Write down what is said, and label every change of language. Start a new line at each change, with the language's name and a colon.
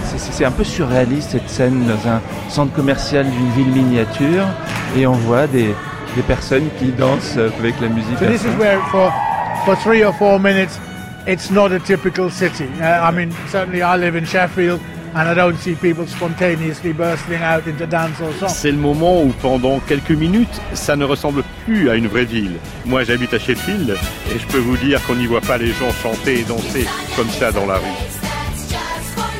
French: C'est un peu surréaliste cette scène dans un centre commercial d'une ville miniature. Et on voit des personnes qui dansent avec la musique.
English: So this is where it's for. For 3 or 4 minutes, it's not a typical city. I mean, certainly I live in Sheffield, and I don't see people spontaneously bursting out into dance or song.
French: C'est le moment où, pendant quelques minutes, ça ne ressemble plus à une vraie ville. Moi, j'habite à Sheffield, et je peux vous dire qu'on n'y voit pas les gens chanter et danser comme ça dans la rue.